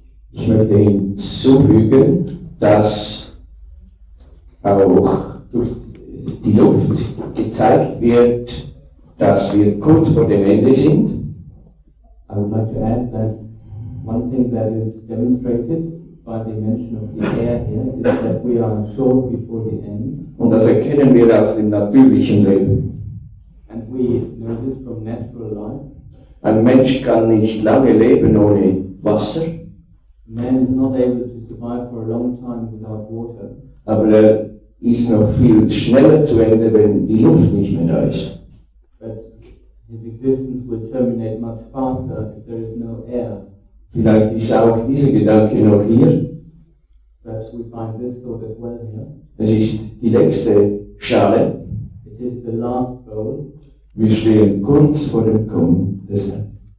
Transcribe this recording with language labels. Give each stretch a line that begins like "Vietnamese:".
German: Ich möchte hinzufügen, dass auch durch die Luft gezeigt wird, dass wir kurz vor dem Ende sind.
English: I would like to add that one thing that is demonstrated by the mention of the air here is that we are short before the end.
German: Und das erkennen wir aus dem natürlichen Leben.
English: And we know this from natural life.
German: Ein Mensch kann nicht lange leben ohne Wasser.
English: Man is not able to survive for a long time without water.
German: Aber er ist noch viel schneller zu Ende, wenn die Luft nicht mehr da ist.
English: But his existence would terminate much faster if there is no air.
German: Vielleicht ist auch dieser Gedanke noch hier.
English: Perhaps we find this thought as well here.
German: Es ist die letzte Schale.
English: It is the last bowl.
German: Wir stehen kurz vor dem Kommen des Herrn.